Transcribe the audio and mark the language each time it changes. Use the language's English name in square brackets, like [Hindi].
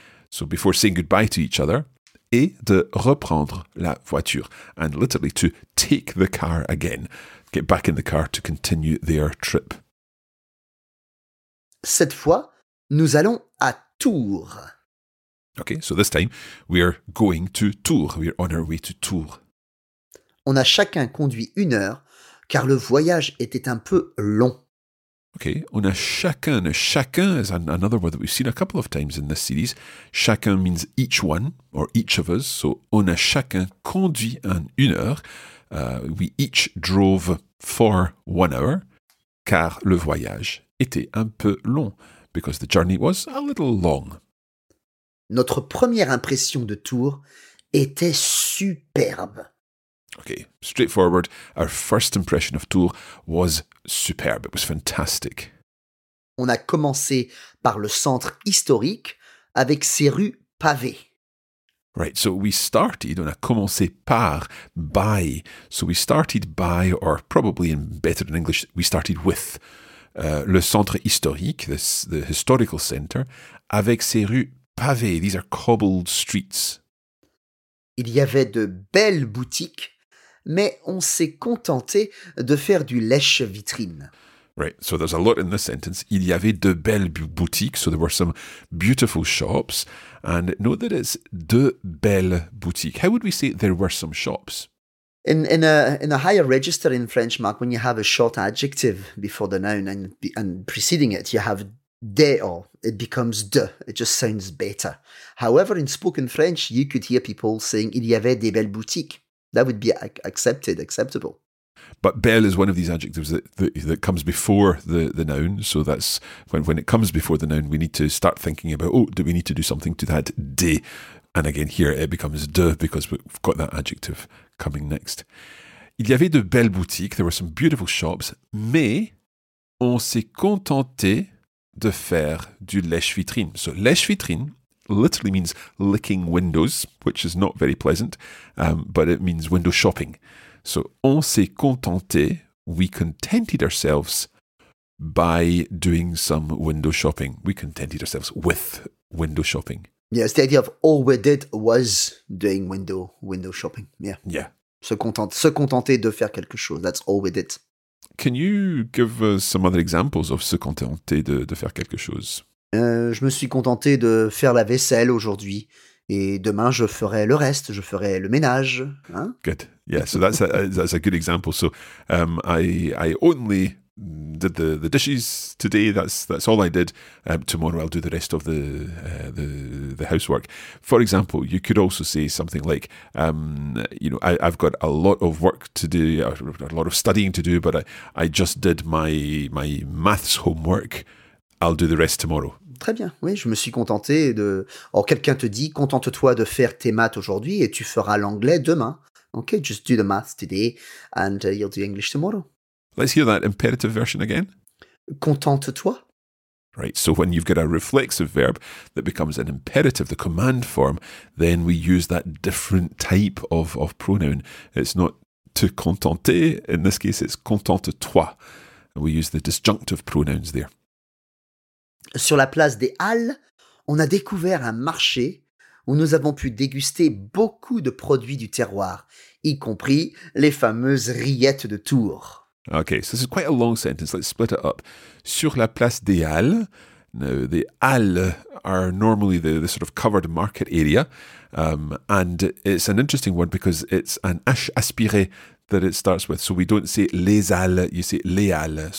[English] So before saying goodbye to each other, [French] et de reprendre la voiture, [English] and literally to take the car again, get back in the car to continue their trip. [French] Cette fois, nous allons à Tours. [English] Okay, so this time, we are going to Tours. We are on our way to Tours. [French] On a chacun conduit une heure, car le voyage était un peu long. Okay, on a chacun. [English] Chacun is another word that we've seen a couple of times in this series. Chacun means each one, or each of us. [French] So, on a chacun conduit en une heure. [English] We each drove for 1 hour, [French] car le voyage était un peu long, [English] because the journey was a little long. [French] Notre première impression de Tours était superbe. [English] Okay, straightforward. Our first impression of Tours was superb. It was fantastic. [French] On a commencé par le centre historique avec ses rues pavées. [English] Right, so we started, [French] on a commencé par, [English] by. So we started by, or probably in better in English, we started with. [French] Le centre historique, [English] the historical center, [French] avec ses rues pavées. [English] These are cobbled streets. [French] Il y avait de belles boutiques, mais on s'est contenté de faire du lèche-vitrine. [English] Right, so there's a lot in this sentence. [French] Il y avait de belles boutiques, [English] so there were some beautiful shops. And note that it's [French] de belles boutiques. [English] How would we say there were some shops? In a higher register in French, Mark, when you have a short adjective before the noun and preceding it, you have des, or it becomes de. It just sounds better. However, in spoken French, you could hear people saying [French] il y avait des belles boutiques. [English] That would be acceptable. But belle is one of these adjectives that comes before the noun. So that's when it comes before the noun, we need to start thinking about, oh, do we need to do something to that de? And again, here it becomes de because we've got that adjective coming next. [French] Il y avait de belles boutiques. [English] There were some beautiful shops. [French] Mais on s'est contenté de faire du lèche-vitrine. [English] So lèche-vitrine literally means licking windows, which is not very pleasant, but it means window shopping. So [French] on s'est contenté, [English] we contented ourselves by doing some window shopping. We contented ourselves with window shopping. Yes, the idea of all we did was doing window shopping. Yeah. Yeah. [French] Se contenter de faire quelque chose. [English] That's all we did. Can you give us some other examples of [French] se contenter de faire quelque chose? Je me suis contenté de faire la vaisselle aujourd'hui. Et demain, je ferai le reste. Je ferai le ménage. Hein? [English] Good. Yeah, so that's a good example. So I only did the dishes today. That's all I did. Tomorrow, I'll do the rest of the housework. For example, you could also say something like, I've got a lot of work to do, a lot of studying to do, but I just did my maths homework. I'll do the rest tomorrow. [French] Très bien. Oui, je me suis contenté de... Or, quelqu'un te dit, contente-toi de faire tes maths aujourd'hui et tu feras l'anglais demain. [English] Okay, just do the maths today and you'll do English tomorrow. Let's hear that imperative version again. [French] Contente-toi. [English] Right, so when you've got a reflexive verb that becomes an imperative, the command form, then we use that different type of pronoun. It's not [French] te contenter. [English] In this case, it's [French] contente-toi. [English] And we use the disjunctive pronouns there. [French] Sur la place des Halles, on a découvert un marché où nous avons pu déguster beaucoup de produits du terroir, y compris les fameuses rillettes de Tours. [English] Okay, so this is quite a long sentence. Let's split it up. [French] Sur la place des Halles, [English] now the Halles are normally the sort of covered market area, and it's an interesting one because it's an H aspiré that it starts with. So we don't say [French] les Halles, [English] you say les Halles.